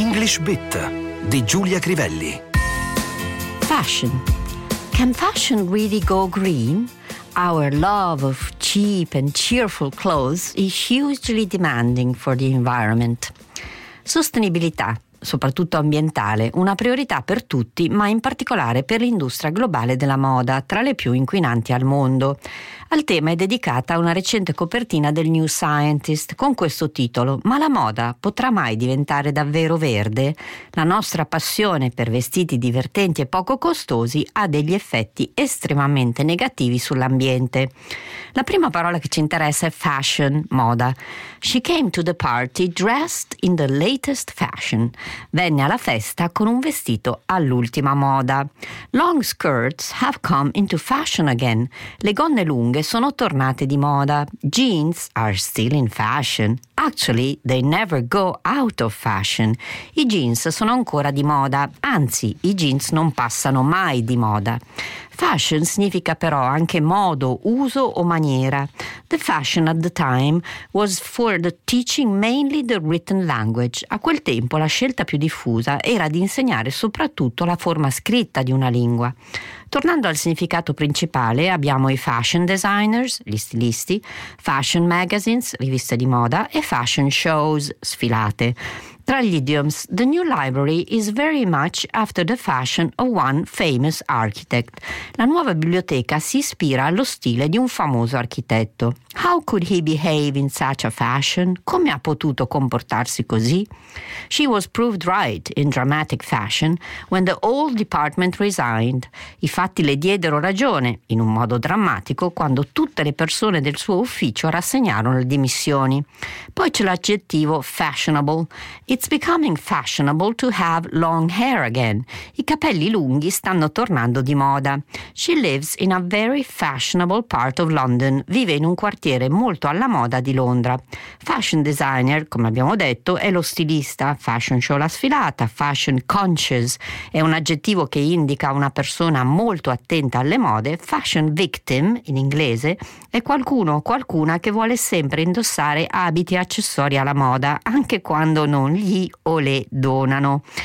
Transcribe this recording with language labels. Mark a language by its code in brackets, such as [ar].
[it] Fresh Bit di Giulia Crivelli. [en] Fashion. Can fashion really go green? Our love of cheap and cheerful clothes is hugely demanding for the environment. [it] Sostenibilità, soprattutto ambientale, una priorità per tutti, ma in particolare per l'industria globale della moda, tra le più inquinanti al mondo. Al tema è dedicata una recente copertina del New Scientist con questo titolo: ma la moda potrà mai diventare davvero verde? La nostra passione per vestiti divertenti e poco costosi ha degli effetti estremamente negativi sull'ambiente. La prima parola che ci interessa è fashion, moda. [en] She came to the party dressed in the latest fashion. [it] Venne alla festa con un vestito all'ultima moda. [en] Long skirts have come into fashion again. [it] Le gonne lunghe sono tornate di moda. [en] Jeans are still in fashion. Actually, they never go out of fashion. [it] I jeans sono ancora di moda. Anzi, i jeans non passano mai di moda. Fashion significa però anche modo, uso o maniera. [en] The fashion at the time was for the teaching mainly the written language. [it] A quel tempo la scelta più diffusa era di insegnare soprattutto la forma scritta di una lingua. Tornando al significato principale, abbiamo i fashion designers, gli stilisti, fashion magazines, riviste di moda, e fashion shows, sfilate. Tra gli [en] idioms, the new library is very much after the fashion of one famous architect. [it] La nuova biblioteca si ispira allo stile di un famoso architetto. [en] How could he behave in such a fashion? [it] Come ha potuto comportarsi così? [en] She was proved right in dramatic fashion when the old department resigned. [it] I fatti le diedero ragione, in un modo drammatico, quando tutte le persone del suo ufficio rassegnarono le dimissioni. Poi c'è l'aggettivo fashionable. [en] It's becoming fashionable to have long hair again. [it] I capelli lunghi stanno tornando di moda. [en] She lives in a very fashionable part of London. [it] Vive in un quartiere molto alla moda di Londra. Fashion designer, come abbiamo detto, è lo stilista. Fashion show la sfilata. Fashion conscious è un aggettivo che indica una persona molto attenta alle mode. Fashion victim, in inglese, è qualcuno o qualcuna che vuole sempre indossare abiti e accessori alla moda, anche quando non gli o le donano.